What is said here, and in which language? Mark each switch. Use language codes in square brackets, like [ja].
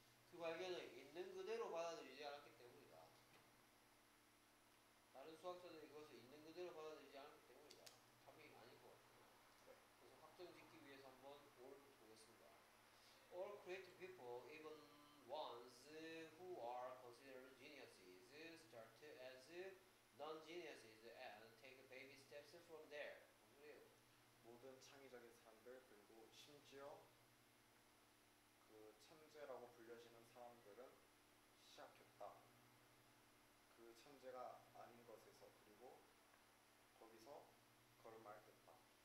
[ko] 그 발견을 있는 그대로 받아들이지 않았기 때문이다. 다른 수학자들이 그것을 있는 그대로 받아들이지 않았기 때문이다. 답이 아닐 것 같아요. 그래서 확정짓기 위해서 한번 올 보겠습니다. [en] All creative people, even ones who are considered geniuses start as non-geniuses and take baby steps from there. [ko] 그래요. 모든 창의적인 사람들, 그리고 심지어 그 천재라고 불려지는 사람들은 시작했다. 그 천재가 아닌 것에서, 그리고 거기서 걸음마를 뗐다.